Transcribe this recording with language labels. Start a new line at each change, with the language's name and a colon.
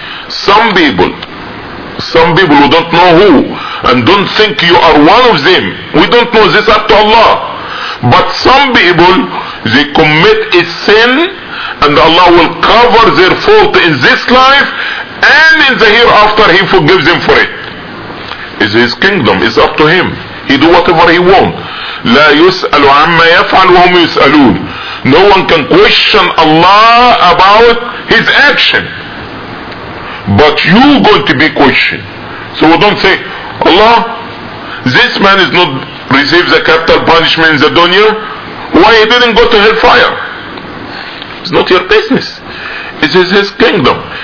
English: Some people who don't know who, and don't think you are one of them, we don't know, this up to Allah. But some people, they commit a sin, and Allah will cover their fault in this life, and in the hereafter he forgives him for it. It's his kingdom, it's up to him. He do whatever he want.
Arabic: لا يسأل عما يفعل وهم يسألون.
English: No one can question Allah about his action. But you going to be questioned. So we don't say, Allah, this man is not receive the capital punishment in the dunya, why he didn't go to hellfire? It's not your business. It is his kingdom.